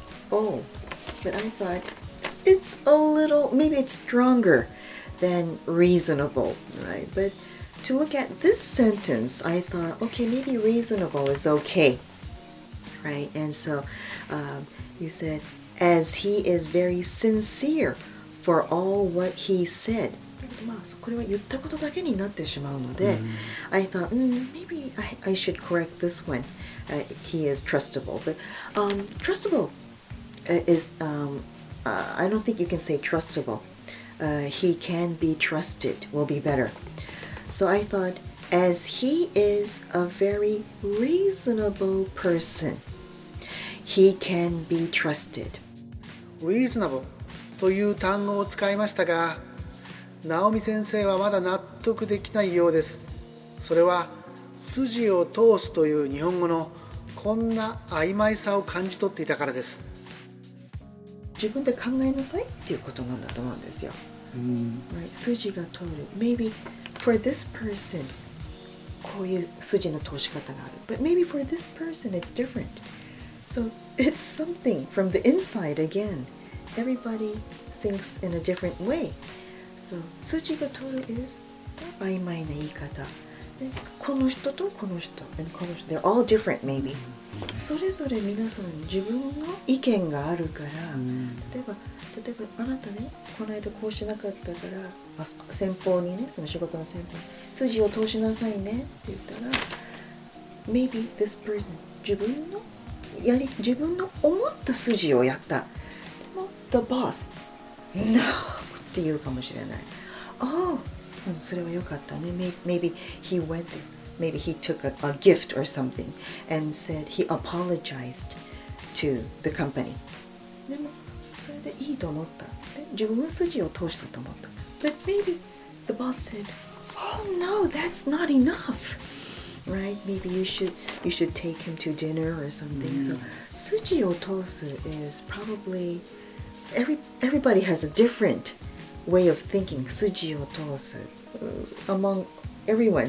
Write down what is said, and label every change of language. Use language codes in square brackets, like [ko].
[en] Oh, but I thought it's a little, maybe it's stronger than reasonable, right? But to look at this sentence, I thought, okay, maybe reasonable is okay, right? And so you said, as he is very sincere,For all what he said. [ja] まあ、これは言ったことだけになってしまうので、 [en] mm-hmm. I thought, maybe I should correct this one. He is trustable. But trustable is, I don't think you can say trustable. He can be trusted, will be better. So I thought, as he is a very reasonable person, he can be trusted. Reasonable. [ja] という単語を使いましたが、直美先生はまだ納得できないようです。それは筋を通すという日本語のこんな曖昧さを感じ取っていたからです。自分で考えなさいっていうことなんだと思うんですよ。筋が通る。 [en] Maybe for this person [ja] こういう筋の通し方がある。 [en] But maybe for this person it's different. So it's something from the inside again. Everybody thinks in a different way. So, 筋が通る is [ja] 曖昧な言い方。で、この人とこの人、and この人、 [en] they're all different maybe. [ja] それぞれ皆さん自分の意見があるから、例えばあなたね、この間こうしなかったから、先方にね、その仕事の先方に、筋を通しなさいねって言ったら、 [en] maybe this person [ja] 自分の思った筋をやった。 [en] The boss, no, [ja] って言うかもしれない。 Oh, それは良かったね。 [en] Maybe he went there. Maybe he took a gift or something and said he apologized to the company. [ja] でもそれでいいと思った。で、自分は筋を通したと思った。 [en] But maybe the boss said, oh no, that's not enough. Right? Maybe you should take him to dinner or something.、Mm. So 筋を通す is probably... Everybody has a different way of thinking, 筋を通す among everyone.